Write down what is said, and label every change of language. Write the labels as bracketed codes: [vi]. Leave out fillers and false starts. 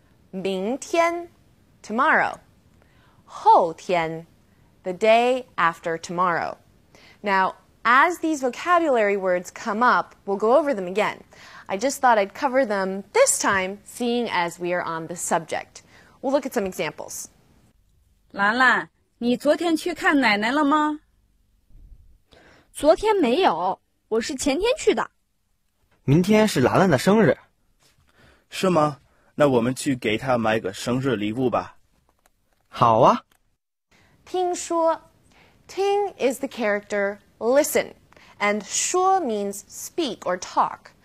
[zh] 明天, [en] tomorrow. [zh] 后天, [en] the day after tomorrow. Now, as these vocabulary words come up, we'll go over them again. I just thought I'd cover them this time, seeing as we are on the subject. We'll look at some examples. [zh] 兰兰，你昨天去看奶奶了吗？昨天没有，我是前天去的。明天是兰兰的生日。是吗？那我们去给她买个生日礼物吧。好啊。听说。 [en] Ting is the character listen, and shuo means speak or talk.